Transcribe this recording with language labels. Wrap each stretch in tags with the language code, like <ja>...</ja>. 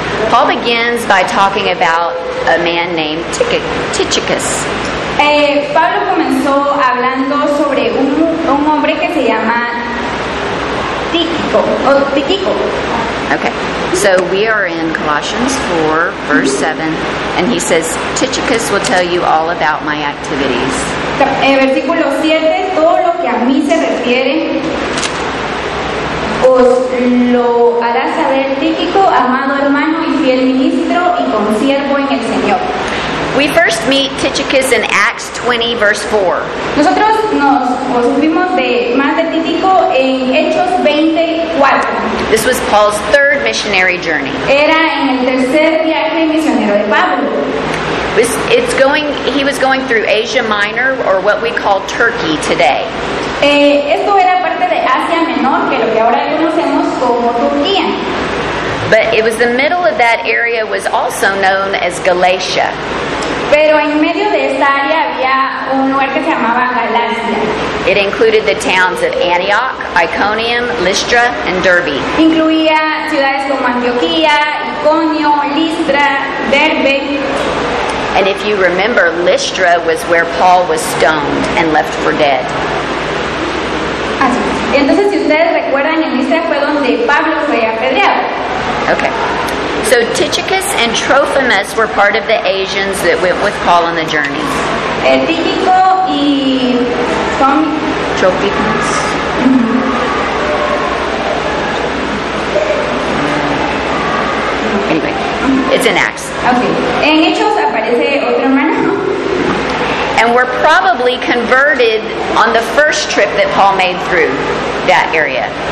<en>Paul begins by talking about a man named Tychicus.</en> <es>Pablo comenzó hablando sobre un hombre que se llama Tychico.</es> <en>Okay. So we are in Colossians 4, verse 7, and he says, Tychicus will tell you all about my activities.</en> <es>Versículo 7, todo lo que a mí se refiere, os lo hará saber Tychico, amado hermano y fiel ministro y consiervo en el Señor.</es> <en>We first meet Tychicus in Acts 20, verse 4.</en> <es>Nosotros nos supimos de más de Tychico en Hechos 20:4.</es> <en>This was Paul's third missionary journey.</en> <es>Era en el tercer viaje misionero de Pablo.</es> <en>He was going through Asia Minor, or what we call Turkey today.</en> <es>Esto era parte de Asia Menor, que lo que ahora conocemos como Turquía.</es> <en>But it was the middle of that area was also known as Galatia.</en> <es>Pero en medio de esta área había un lugar que se llamaba Galacia.</es> <en>It included the towns of Antioch, Iconium, Lystra, and Derbe.</en> <es>Incluía ciudades como Antioquía, Iconio, Listra, Derbe.</es> <en>And if you remember, Lystra was where Paul was stoned and left for dead.</en> <es>Así. Entonces, si ustedes recuerdan, en Listra fue donde Pablo fue apedreado.</es> <en>Okay. So Tychicus and Trophimus were part of the Asians that went with Paul on the journey.</en> <es>Tychico y son Trophimus. Mm-hmm.</es> <en>It's in Acts. Okay.</en> <es>En Hechos aparece otra hermana, ¿no?</es> <en>And were probably converted on the first trip that Paul made through that area.</en>